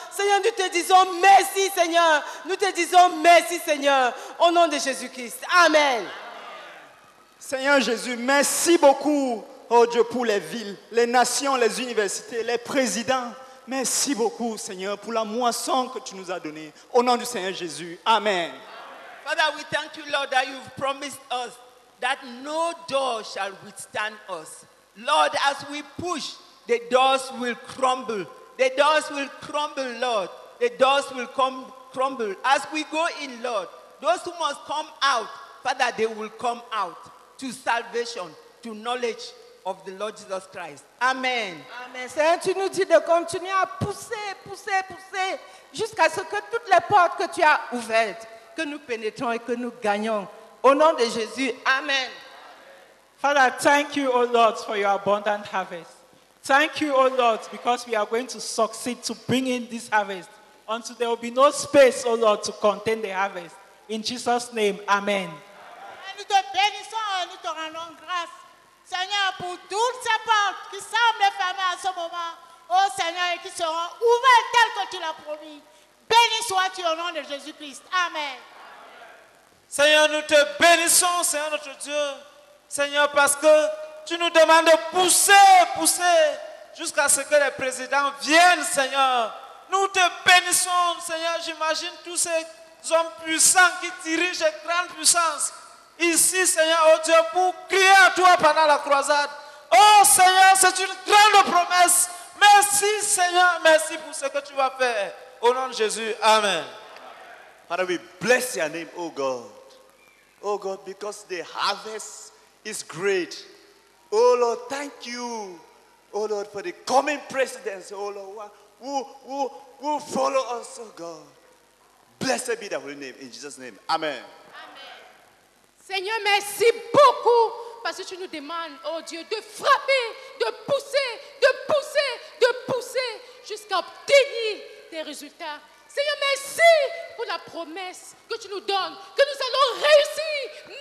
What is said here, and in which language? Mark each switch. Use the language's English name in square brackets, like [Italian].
[French] Seigneur, nous te disons merci, Seigneur. Nous te disons merci, Seigneur. Au nom de Jésus-Christ. Amen. Seigneur Jésus, merci beaucoup, oh Dieu, pour les villes, les nations, les universités, les présidents. Merci beaucoup, Seigneur, pour la moisson que tu nous as donnée. Au nom du Seigneur Jésus. Amen. [English] Father, we thank you, Lord, that you've promised us that no door shall withstand us. Lord, as we push, the doors will crumble. The doors will crumble, Lord. The doors will come crumble. As we go in, Lord, those who must come out, Father, they will come out to salvation, to knowledge of the Lord Jesus Christ. Amen. Amen. [French] Seigneur, tu nous dis de continuer à pousser, jusqu'à ce que toutes les portes que tu as ouvertes, que nous pénétrons et que nous gagnons. Au nom de Jésus, amen. [English] Father, thank you, O Lord, for your abundant harvest. Thank you, O Lord, because we are going to succeed to bring in this harvest until there will be no space, O Lord, to contain the harvest. In Jesus' name, amen. [French] Nous te bénissons et nous te rendons grâce, Seigneur, pour toutes ces portes qui semblent fermées en ce moment, ô Seigneur, et qui seront ouvertes telles que tu l'as promis. Béni sois-tu au nom de Jésus-Christ. Amen. Seigneur, nous te bénissons, Seigneur notre Dieu, Seigneur, parce que tu nous demandes de pousser jusqu'à ce que les présidents viennent, Seigneur. Nous te bénissons, Seigneur. J'imagine tous ces hommes puissants qui dirigent les grandes puissances ici, Seigneur, oh Dieu, pour crier à toi pendant la croisade. Oh Seigneur, c'est une grande promesse. Merci, Seigneur. Merci pour ce que tu vas faire. Au nom de Jésus, amen. [English] Father, we bless your name, oh God. Oh God, because the harvest is great. Oh Lord, thank you. Oh Lord, for the coming presidents, oh Lord, who follow us, oh God. Blessed be the holy name, in Jesus' name. Amen. Amen. [French] Seigneur, merci beaucoup parce que tu nous demandes, oh Dieu, de frapper, de pousser jusqu'à obtenir des résultats. Seigneur, merci pour la promesse que tu nous donnes, que nous allons réussir.